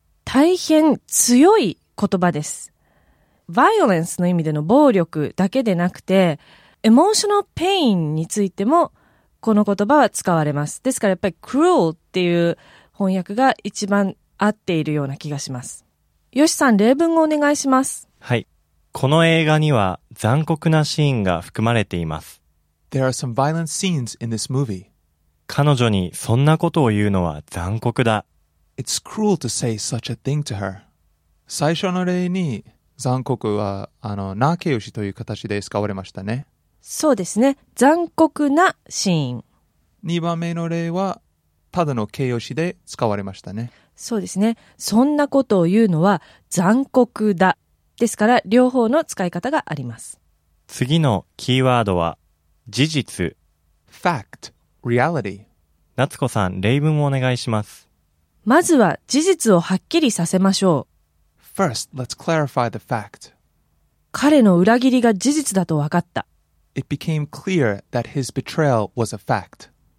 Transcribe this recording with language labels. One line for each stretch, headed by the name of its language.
Japanese: 大変強い言葉です。violence の意味での暴力だけでなくて
English: emotional pain
Japanese: についてもこの言葉は使われます。ですからやっぱり cruel っていう翻訳が一番合っているような気がします。ヨシさん、例文をお願いします。はい。この映画には残酷なシーンが含まれています。
English: There are some violent scenes in this movie.
Japanese: 彼女にそんなことを言うのは残酷だ。
English: It's cruel to say such a thing to her.
Japanese: 最初の例に残酷はな形容詞という形で使われましたね。そうですね。残酷なシーン。 2番目の例はただの形容詞で使われましたね。そうですね。そんなことを言うのは残酷だ。ですから両方の使い方があります。次のキーワードは事実。
English: Fact, reality。
Japanese: 夏子さん、例文をお願いします。まずは事実をはっきりさせましょう。
English: First, let's clarify the fact.
Japanese: 彼の裏切りが事実だと分かった。
English: It became clear that his betrayal was a fact.